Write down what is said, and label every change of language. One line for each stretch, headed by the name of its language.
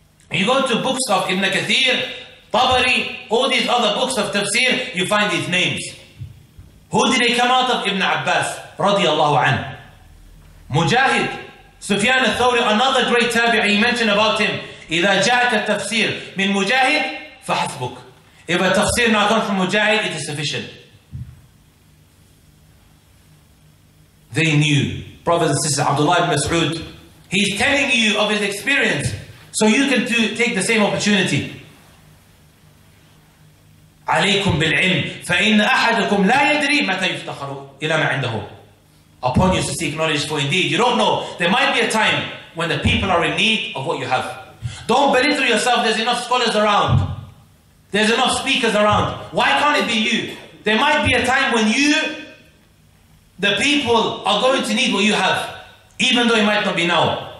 English: You go to books of Ibn Kathir, Tabari, all these other books of tafsir, you find these names. Who did they come out of? Ibn Abbas, radiallahu anhu. Mujahid, Sufyan al-Thawri, another great tabi'i, he mentioned about him.
Arabic: إذا جاءك التفسير من مجاهد فحسبك.
English: If a tafsir not come from Mujahid, it is sufficient. They knew. Brothers and sisters, Abdullah ibn Mas'ud, he's telling you of his experience so you can take the same opportunity.
Arabic: عليكم بالعلم فإن أحدكم لا يدري متى يفتخر إلى ما عنده.
English: Upon you to seek knowledge, for indeed you don't know. There might be a time when the people are in need of what you have. Don't belittle yourself. There's enough scholars around. There's enough speakers around. Why can't it be you? There might be a time when you, the people, are going to need what you have, even though it might not be now.